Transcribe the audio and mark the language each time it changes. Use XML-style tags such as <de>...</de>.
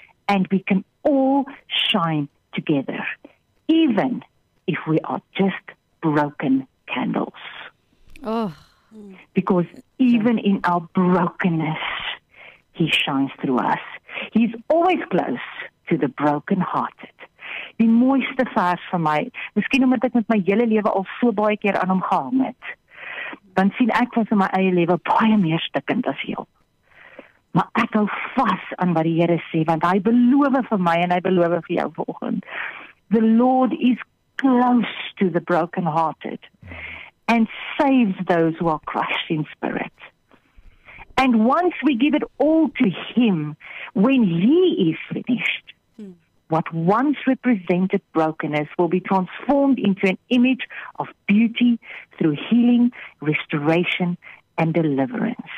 <en>And we can all shine together, even if we are just broken candles. Oh. Because even in our brokenness, he shines through us. He's always close to the brokenhearted.</en> <af>Die mooiste vers vir my, miskien omdat ek met my hele lewe al so baie keer aan hom gehang het, dan sien ek van my eie lewe baie meer stikkend as heel. Maar ek hou vas aan wat die Here sê, want hy beloof vir my en hy beloof vir jou volgend.</af> <en>The Lord is close to the brokenhearted and saves those who are crushed in spirit. And once we give it all to him, when he is finished, what once represented brokenness will be transformed into an image of beauty through healing, restoration, and deliverance.</en>